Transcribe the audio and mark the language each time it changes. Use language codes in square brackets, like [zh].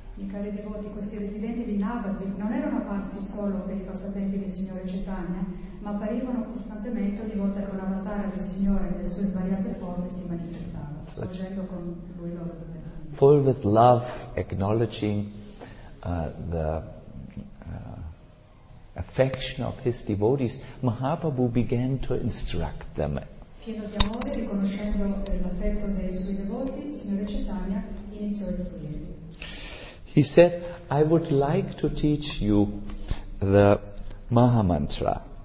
[it] I cari devoti, questi residenti di Navadvip non erano apparsi solo per i passatempi del Signore Chaitanya, ma apparivano costantemente ogni volta che un avatar del Signore nelle sue svariate forme si manifestava, sorgendo con lui loro davvero. [en] Full with love, acknowledging the affection of his devotees, Mahaprabhu began to instruct them. [it] Pieno di amore, riconoscendo l'affetto dei suoi devoti, il Signore Chaitanya iniziò a istruire. [en] He said, I would like to teach you the Maha Mantra.